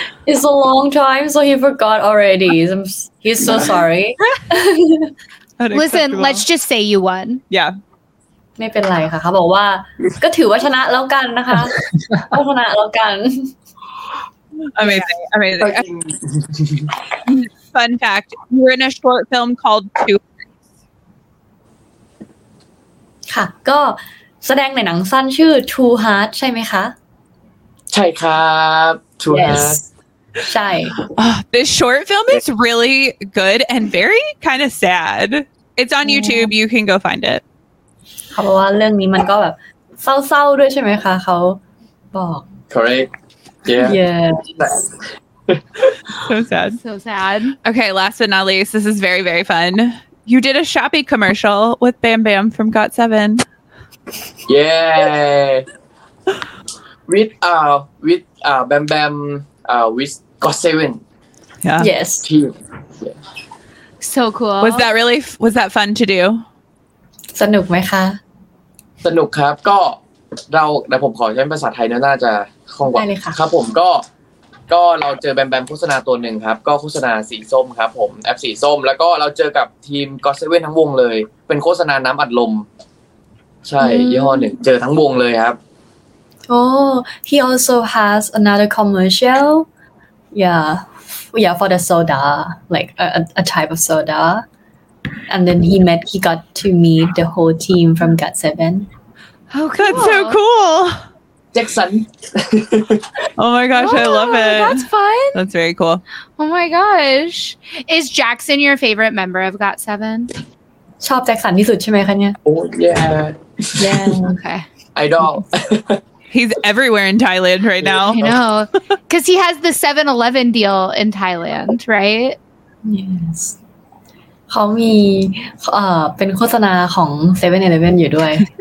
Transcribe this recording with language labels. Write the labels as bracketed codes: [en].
[en] It's a long time so he forgot already. He's so sorry. Listen, let's just say you won. Yeah. [th] ไม่เป็นไรค่ะเขาบอกว่าก็ถือว่าชนะแล้วกันนะคะก็ชนะแล้วกัน [en] Amazing Amazing Fun fact you're in a short film called Two [th] ค่ะก็แสดงในหนังสั้นชื่อ Two Heart ใช่ไหมคะ ใช่ครับ Two Heart ใช่ [en] this short film is really good and very kind of sad it's on YouTube you can go find it [th] เขาบอกว่าเรื่องนี้มันก็แบบเศร้าๆด้วยใช่ไหมคะเขาบอก [en] correct yeah yeah so sad so sad okay last but not least this is very very fun you did a Shopee commercial with Bam Bam from GOT7 yeah with Bam Bamwith GOT7 yeah yes team yeah. so cool was that really was that fun to do [th] สนุกไหมคะ สนุกครับก็เราเดี๋ยวผมขอใช้ภาษาไทยน่าจะคล่องกว่า ได้เลยค่ะ ครับผมก็เราเจอแบมแบมโฆษณาตัวหนึ่งครับก็โฆษณาสีส้มครับผมแอปสีส้มแล้วก็เราเจอกับทีมGOT7ทั้งวงเลยเป็นโฆษณาน้ำอัดลมใช่ยี่ห้อหนึ่งเจอทั้งวงเลยครับ [en] Oh, he also has another commercial. Yeah, for the soda, like a type of soda. And then he got to meet the whole team from GOT7. Oh, cool. That's so cool. Jackson. Oh my gosh, I love it. That's fun. That's very cool. Oh my gosh. Is Jackson your favorite member of GOT7? [th] ชอบ Jackson ที่สุดใช่ไหมคะเนี่ย [en] Oh, yeah. Yeah, okay. Idol. He's everywhere in Thailand right now. I know. Because he has the 7-Eleven deal in Thailand, right? Yes. [th] เขามีเป็นโฆษณาของ 7-Eleven อยู่ด้วย